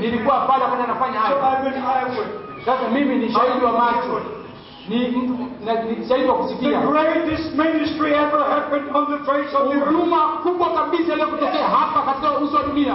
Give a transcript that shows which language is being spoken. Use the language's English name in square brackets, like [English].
[Swahili] nilikuwa pale kwenye anafanya hayo. [English] So I was eyewitness. [Swahili] Sasa mimi ni shahidi wa macho. Ni mtu na shahidi wa kusikia. [English] The greatest ministry ever happened on the face of the earth. [Swahili] Huduma kubwa kabisa leo kutokea hapa katika uso wa dunia.